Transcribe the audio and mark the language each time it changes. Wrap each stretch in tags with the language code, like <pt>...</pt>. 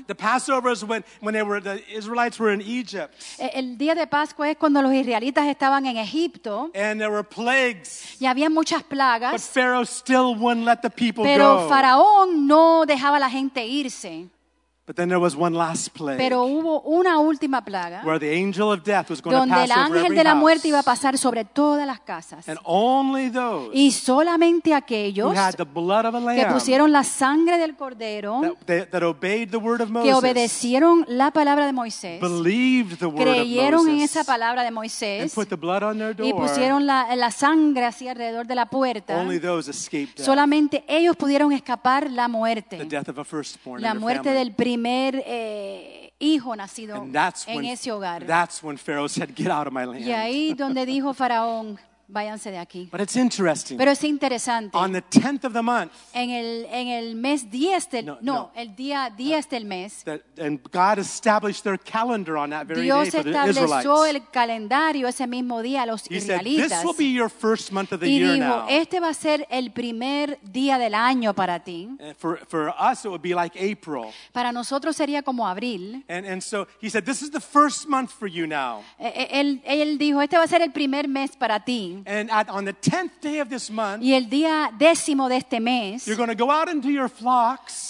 <en>The Passover is when they were the Israelites were in Egypt.</en> <es>El día de Pascua es cuando los israelitas estaban en Egipto.</es> <en>And there were plagues.</en> <es>Y había muchas plagas.</es> <en>But Pharaoh still wouldn't let the people</en> <es>Pero</es> <en>go.</en> <es>Pero Faraón no dejaba a la gente irse.</es> <en>But then there was one last plague.</en> <es>Pero hubo una última plaga.</es> <en>Where the angel of death was going to pass over every house.</en> <es>Donde el ángel de la muerte iba a pasar sobre todas las casas.</es> <en>And only those.</en> <es>Y solamente aquellos.</es> <en>Who had the blood of a lamb.</en> <es>Que pusieron la sangre del cordero.</es> <en>That obeyed the word of Moses.</en> <es>Que obedecieron la palabra de Moisés.</es> <en>Believed the word of Moses.</en> <es>Creyeron en esa palabra de Moisés.</es> <en>And put the blood on their door.</en> <es>Y pusieron la sangre así alrededor de la puerta.</es> <en>Only those escaped death.</en> <es>Solamente ellos pudieron escapar la muerte.</es> <en>The death of a firstborn.</en> <es>La muerte del primer hijo nacido en ese hogar.</es> <en>That's when Pharaoh said, "Get out of my land."</en> <es>Y ahí donde dijo Faraón, váyanse de aquí.</es> <en>But it's interesting.</en> <es>Pero es interesante.</es> <en>On the 10th of the month.</en> <es>En el mes 10 del el día 10 del mes.</es> <en>And God established their calendar on that very</en> <es>Dios</es> <en>day for the Israelites.</en> <es>Dios estableció el calendario ese mismo día a los</es> <en>He</en> <es>israelitas.</es> <en>Said, "This will be your first month of the</en> <es>y</es> <en>year</en> <es>dijo,</es> <en>now."</en> <es>Este va a ser el primer día del año para ti.</es> <en>For us it would be like April.</en> <es>Para nosotros sería como abril.</es> <en>And so he said, "This is the first month for you now."</en> <es>Él dijo, "Este va a ser el primer mes para ti."</es> <en>And on the 10th day of this month,</en> <es>y el día décimo de este mes,</es> <en>you're going to go out into your flocks.</en>